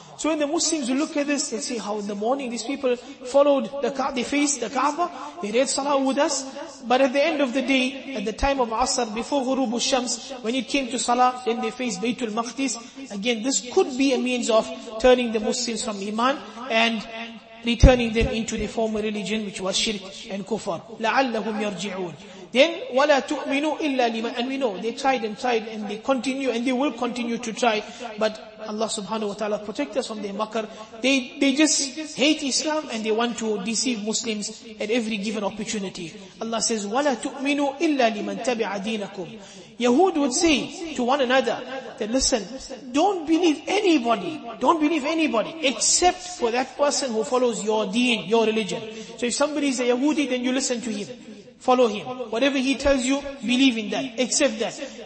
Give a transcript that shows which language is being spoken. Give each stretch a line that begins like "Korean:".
English: So when the Muslims will look at this, they see how in the morning these people followed the Kaaba, they faced the Kaaba, they read salah with us, but at the end of the day, at the time of Asr, before Ghurubu Shams, when it came to salah, then they faced Baytul Maqdis. Again, this could be a means of turning the Muslims from iman and returning them into the former religion, which was shirk and kufr.
Arabic: لَعَلَّهُمْ يَرْجِعُونَ.
English: Then,
Arabic: وَلَا تُؤْمِنُوا إِلَّا لِمَنْ.
English: And we know, they tried, and they continue, and they will continue to try, but Allah subhanahu wa ta'ala protect us from their makar. They just hate Islam, and they want to deceive Muslims at every given opportunity. Allah says,
Arabic: وَلَا تُؤْمِنُوا إِلَّا لِمَنْ تَبِعَ دِينَكُمْ.
English: Yahud would say to one another, that listen, don't believe anybody, except for that person who follows your deen, your religion. So if somebody is a Yahudi, then you listen to him. Follow him. Whatever he tells you, believe in that. Accept that.